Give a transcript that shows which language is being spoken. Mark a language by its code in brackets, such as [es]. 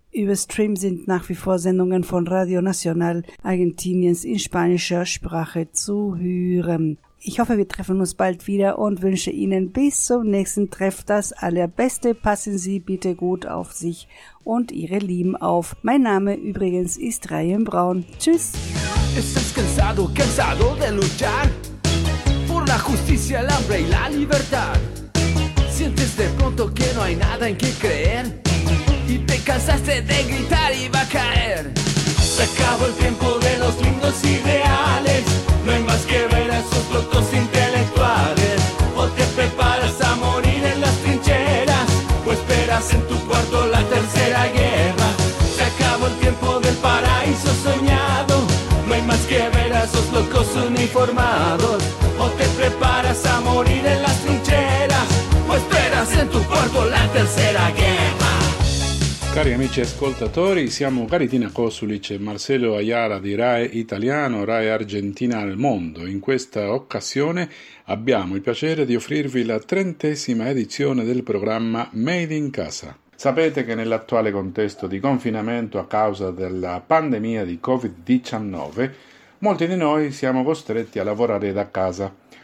[de] Über Stream sind nach wie vor Sendungen von Radio Nacional Argentiniens in spanischer Sprache zu hören. Ich hoffe, wir treffen uns bald wieder und wünsche Ihnen bis zum nächsten Treff das Allerbeste. Passen Sie bitte gut auf sich und Ihre Lieben auf. Mein Name übrigens ist Ryan Braun. Tschüss! [es] Es [de] ist [es] cansado, cansado de luchar por la justicia, el hambre y la libertad. Sientes de pronto que no hay nada en que creer. Y te cansaste de gritar y va a caer. Se acabó el tiempo de los lindos ideales. No hay más que ver a esos locos intelectuales. O te preparas a morir en las trincheras. O esperas en tu cuarto la tercera guerra. Se acabó el tiempo del paraíso soñado. No hay más que ver a esos locos uniformados. O te preparas a morir en las trincheras. O esperas en tu cuarto la tercera guerra. [it] Cari amici ascoltatori, siamo Caritina Kosulic e Marcelo Ayala di RAE Italiano, RAE Argentina al Mondo. In questa occasione abbiamo il piacere di offrirvi la 30ª edizione del programma Made in Casa. Sapete che nell'attuale contesto di confinamento a causa della pandemia di Covid-19, molti di noi siamo costretti a lavorare da casa.